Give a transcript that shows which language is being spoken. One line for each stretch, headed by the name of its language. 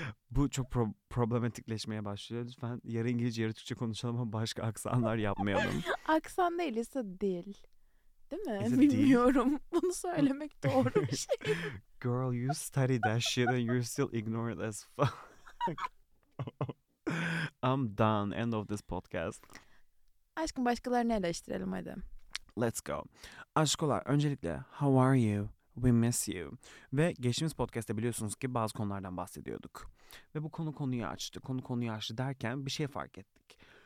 Turkish: Bu çok problematikleşmeye başlıyor. Lütfen yarı İngilizce yarı Türkçe konuşalım ama başka aksanlar yapmayalım. Aksan değil, ise dil. Değil mi? Bilmiyorum. Bunu söylemek doğru bir şey.
English: Girl, you study that shit and you're still ignored as fuck. I'm done. End of this podcast.
Turkish: Aşkım, başkalarını eleştirelim hadi.
English: Let's go.
Turkish: Aşkolar, öncelikle
English: how are you? We miss you.
Turkish: Ve geçtiğimiz podcast'te biliyorsunuz ki bazı konulardan bahsediyorduk. Ve bu konuyu açtı derken bir şey fark ettik.